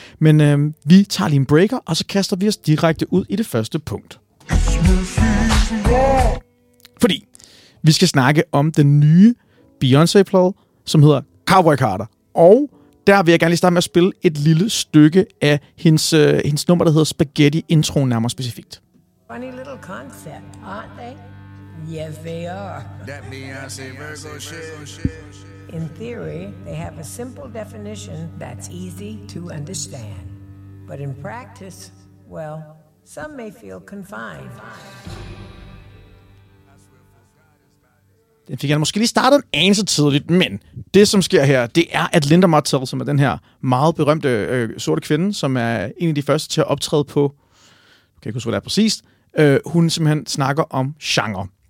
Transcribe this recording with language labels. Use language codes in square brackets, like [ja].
[da] Men vi tager lige en breaker, og så kaster vi os direkte ud i det første punkt. Fordi vi skal snakke om den nye Beyoncé-plade, som hedder Cowboy Carter. Og der vil jeg gerne lige starte med at spille et lille stykke af hendes nummer, der hedder Spaghetti Intro, nærmere specifikt. [en] Funny little concept, aren't they? Yes, they are. That Beyoncé Virgo shit. In theory, they have a simple definition that's easy to understand. But in practice, well, some may feel confined. [da] Den fik jeg måske lige startet en anelse tidligt, men det, som sker her, det er, at Linda Martell, som er den her meget berømte sorte kvinde, som er en af de første til at optræde på, kan jeg ikke huske, hvad det er præcist, hun simpelthen snakker om genre.